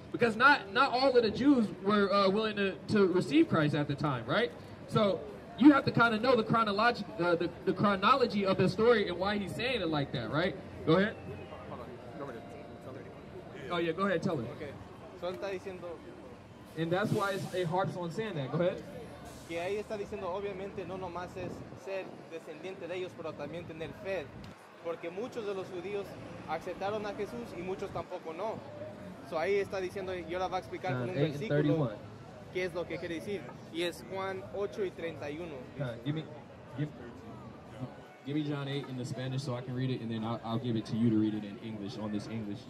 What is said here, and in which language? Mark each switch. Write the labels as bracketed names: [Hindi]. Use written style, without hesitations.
[English] Because not all of the Jews were willing to receive Christ at the time, right? So you have to kind of know the chronology of the story and why he's saying it like that, right? Go ahead. Oh yeah, go ahead, tell him. [Spanish] Okay. So está diciendo. [English] And that's why it harps on saying that. Go ahead. [Spanish] Que ahí está diciendo, obviamente, no nomás es ser descendiente de ellos, pero también tener fe. Porque muchos de los judíos aceptaron a Jesús y muchos tampoco no. So ahí está diciendo, y ahora va a explicar con un versículo qué es lo que quiere decir. Y es Juan 8:31. [English] Give me John 8 in the Spanish so I can read it, and then I'll give it to you to read it in English, on this English.